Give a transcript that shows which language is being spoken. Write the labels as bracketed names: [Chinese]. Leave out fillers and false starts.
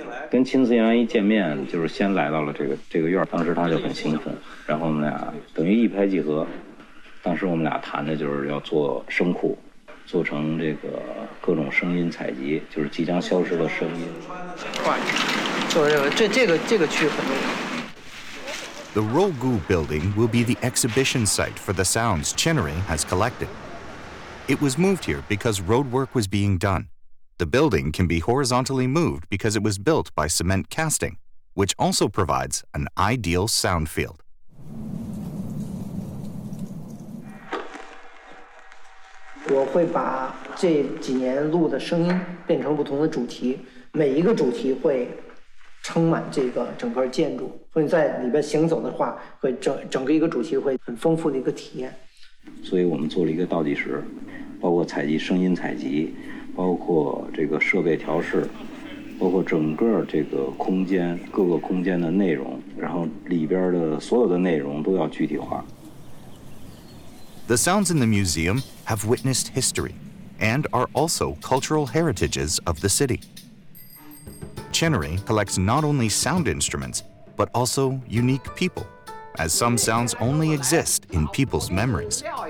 [Chinese] 跟秦子阳一见面，就是先来到了这个院，当时他就很兴奋，然后我们俩等于一拍即合。当时我们俩谈的就是要做声库，做成这个各种声音采集，就是即将消失的声音。这个区很重要。 [English] The Rougu building will be the exhibition site for the sounds Chinnery has collected. It was moved here because road work was being done. The building can be horizontally moved because it was built by cement casting, which also provides an ideal sound field. I will make the sound of these years into different themes. Each theme will be [Chinese] 撑满这个整个建筑，所以在里边行走的话，会整个一个主题会很丰富的一个体验。所以我们做了一个倒计时，包括采集声音采集，包括这个设备调试，包括整个这个空间各个空间的内容，然后里边的所有的内容都要具体化。 [English] The sounds in the museum have witnessed history, and are also cultural heritages of the city. Chinnery collects not only sound instruments, but also unique people, as some sounds only exist in people's memories.